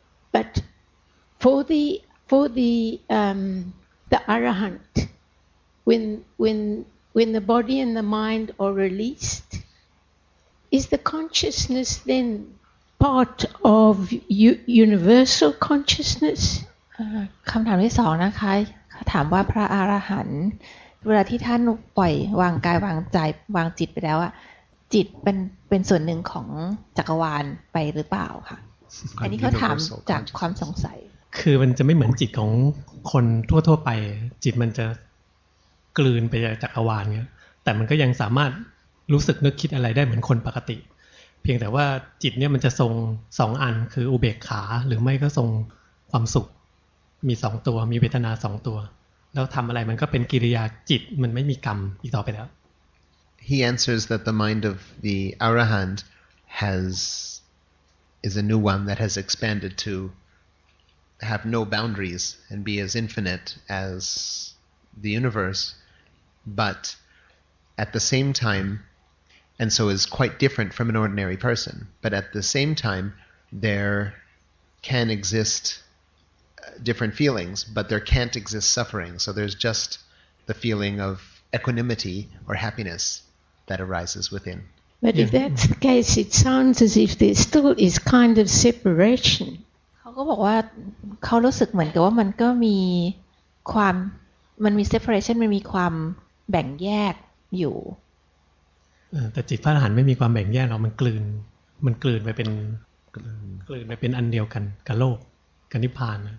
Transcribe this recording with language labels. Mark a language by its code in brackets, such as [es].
[en] But for the arahant, when the body and the mind are released, is the consciousness then part of universal consciousness? [th] คำถามที่สองนะคะเขาถามว่าพระอรหันต์เวลาที่ท่านปล่อยวางกายวางใจวางจิตไปแล้วอะจิตเป็นส่วนหนึ่งของจักรวาลไปหรือเปล่าค่ะอันนี้เขาถามจากความสงสัย คือมันจะไม่เหมือนจิตของคนทั่วไปจิตมันจะกลืนไปจากจักรวาลเนี้ยแต่มันก็ยังสามารถรู้สึกนึกคิดอะไรได้เหมือนคนปกติเพียงแต่ว่าจิตเนี้ยมันจะทรงสองอันคืออุเบกขาหรือไม่ก็ทรงความสุขมี2ตัวมีเวทนา2ตัวแล้วทำอะไรมันก็เป็นกิริยาจิตมันไม่มีกรรมอีกต่อไปแล้ว [en] He answers that the mind of the arahant is a new one that has expanded to have no boundaries and be as infinite as the universe but at the same time and so is quite different from an ordinary person but at the same time there can existdifferent feelings but there can't exist suffering so there's just the feeling of equanimity or happiness that arises within but if that's the case it sounds as if there still is kind of separation [th] เขาก็บอกว่าเขารู้สึกเหมือนกับว่ามันก็มีความมันมี separation มันมีความแบ่งแยกอยู่แต่จิตพระอรหันต์ไม่มีความแบ่งแยกหรอกมันกลืนไปเป็นกลืนไปเป็นอันเดียวกันกับโลกกับนิพพาน